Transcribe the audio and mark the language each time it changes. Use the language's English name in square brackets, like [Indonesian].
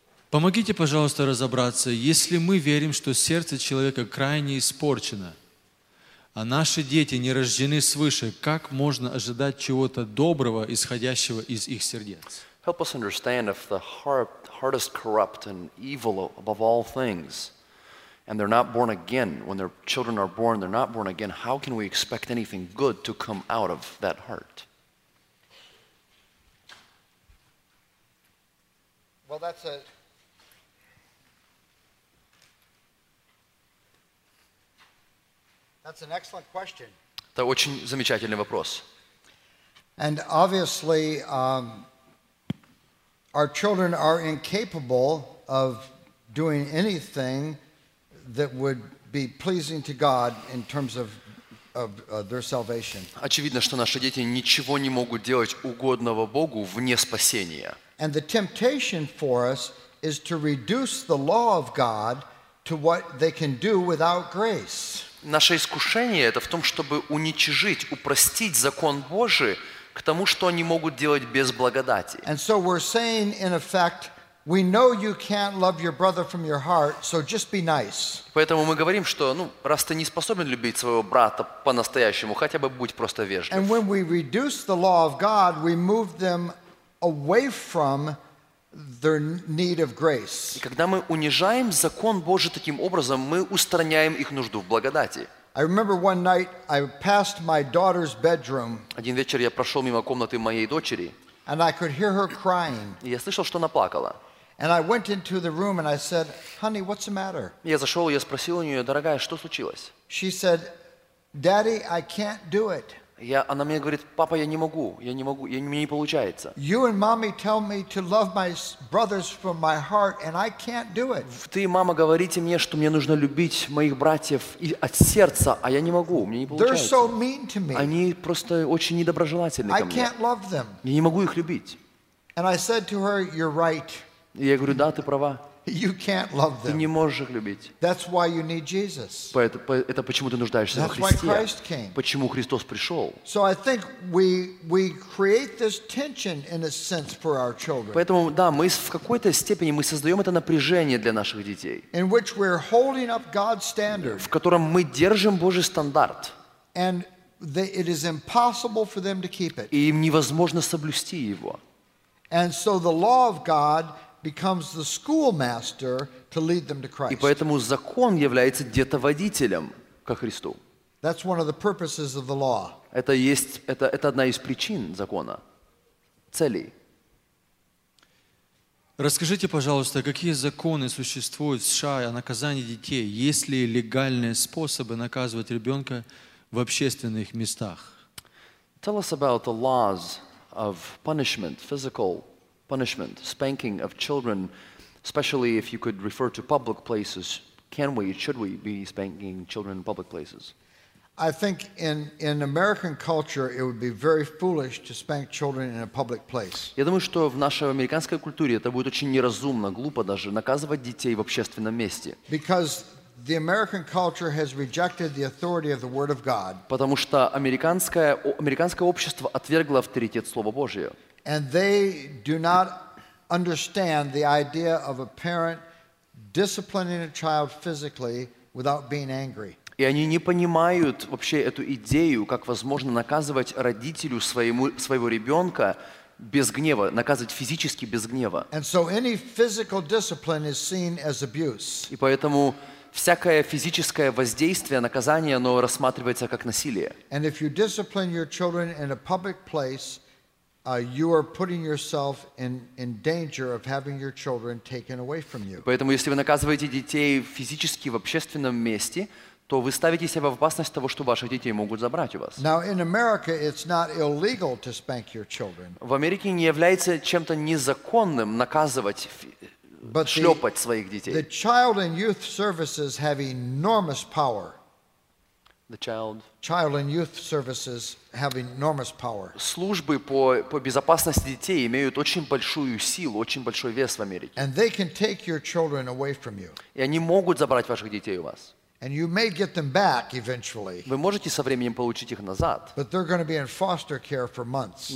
[Russian] Помогите, пожалуйста, разобраться, если мы верим, что сердце человека крайне испорчено, а наши дети не рождены свыше, как можно ожидать чего-то доброго, исходящего из их сердец? [English] Help us understand if the heart is corrupt and evil above all things, and they're not born again, when their children are born, they're not born again, how can we expect anything good to come out of that heart? Well, that's a... That's an excellent question. [Russian] Это очень замечательный вопрос. [English] And obviously, our children are incapable of doing anything that would be pleasing to God in terms of their salvation. [Russian] Очевидно, что наши дети ничего не могут делать угодного Богу вне спасения. [English] And the temptation for us is to reduce the law of God to what they can do without grace. [Russian] Наше искушение это в том, чтобы уничижить, упростить закон Божий к тому, что они могут делать без благодати. [English] And so we're saying in effect, we know you can't love your brother from your heart, so just be nice. [Russian] Поэтому мы говорим, что, ну, раз ты не способен любить своего брата по-настоящему, хотя бы будь просто вежлив. [English] And when we reduce the law of God, we move them away from their need of grace. [Russian] И когда мы унижаем закон Божий таким образом, мы устраняем их нужду в благодати. [English] I remember one night I passed my daughter's bedroom. [Russian] Один вечер я прошел мимо комнаты моей дочери. [English] And I could hear her crying. [Russian] Я слышал, что она плакала. [English] And I went into the room and I said, "Honey, what's the matter?" [Russian] Я зашел, я спросил у нее, дорогая, что случилось? [English] She said, "Daddy, I can't do it." [Russian] Я, она мне говорит, папа, я не могу, я не могу, я, мне не получается. [English] You and mommy tell me to love my brothers from my heart, and I can't do it. [Russian] Ты, мама, говорите мне, что мне нужно любить моих братьев от сердца, а я не могу, мне не получается. [English] They're so mean to me. [Russian] Они просто очень недоброжелательны ко мне. [English] I can't love them. [Russian] Я не могу их любить. [English] And I said to her, "You're right." [Russian] И я говорю, да, ты права. [English] You can't love them. [Russian] Ты не можешь их любить. [English] That's why you need Jesus. [Russian] Это почему ты нуждаешься во Христе. [English] That's why Christ came. [Russian] Почему Христос пришел. [English] So I think we create this tension in a sense for our children. [Russian] Поэтому да, мы в какой-то степени мы создаем это напряжение для наших детей. [English] In which we're holding up God's standard. [Russian] В котором мы держим Божий стандарт. [English] And it is impossible for them to keep it. [Russian] И им невозможно соблюсти его. [English] And so the law of God becomes the schoolmaster to lead them to Christ. [Russian] И поэтому закон является детоводителем ко Христу. [English] That's one of the purposes of the law. [Russian] Это одна из причин закона, целей. Расскажите, пожалуйста, какие законы существуют в США о наказании детей? Есть ли легальные способы наказывать ребенка в общественных местах? [English] Tell us about the laws of punishment, physical punishment, spanking of children, especially if you could refer to public places. Can we, should we be spanking children in public places? I think in American culture it would be very foolish to spank children in a public place. [Russian] Я думаю, что в нашей американской культуре это будет очень неразумно, глупо даже наказывать детей в общественном месте. [English] Because the American culture has rejected the authority of the Word of God. [Russian] Потому что американское общество отвергло авторитет Слова Божьего. [English] And they do not understand the idea of a parent disciplining a child physically without being angry. [Russian] И они не понимают вообще эту идею, как возможно наказывать родителю своего ребенка без гнева, наказывать физически без гнева. [English] And so any physical discipline is seen as abuse. [Russian] И поэтому всякое физическое воздействие, наказание, оно рассматривается как насилие. [English] And if you discipline your children in a public place, you are putting yourself in danger of having your children taken away from you. [Russian] Поэтому если вы наказываете детей физически в общественном месте, то вы ставите себя в опасность того, что ваши дети могут забрать у вас. [English] Now in America it's not illegal to spank your children. [Russian] В Америке не является чем-то незаконным наказывать, шлепать своих детей. [English] The child and youth services have enormous power. Child and youth services have enormous power. [Russian] Службы по безопасности детей имеют очень большую силу, очень большой вес в Америке. [English] And they can take your children away from you. [Russian] И они могут забрать ваших детей у вас. [English] And you may get them back eventually. [Russian] Вы можете со временем получить их назад. [English] But they're going to be in foster care for months.